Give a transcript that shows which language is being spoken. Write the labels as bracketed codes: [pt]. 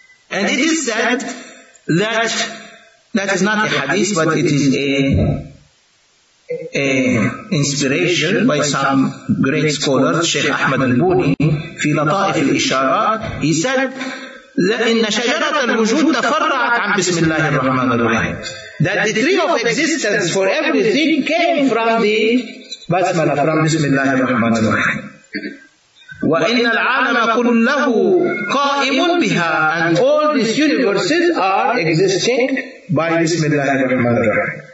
[en] And it is said that is not a hadith, but it is a inspiration by some great scholars, Sheikh Ahmad al-Buni, في لطائف الإشارات. He said, [ar] لَإِنَّ شَجَرَةَ الْوُجُودَ تَفَرَّعَتْ عَنْ بِسْمِ اللَّهِ الرَّحْمَنِ الرَّحِيمِ. [en] That the tree of existence for everything came from the basmala, from [ar] بِسْمِ اللَّهِ الرَّحْمَنِ الرَّحِيمِ. وَإِنَّ الْعَالَمَ كُلَّهُ قَائِمٌ بِهَا. [en] And all these universes are existing by [ar] بسم الله الرحمن الرحيم.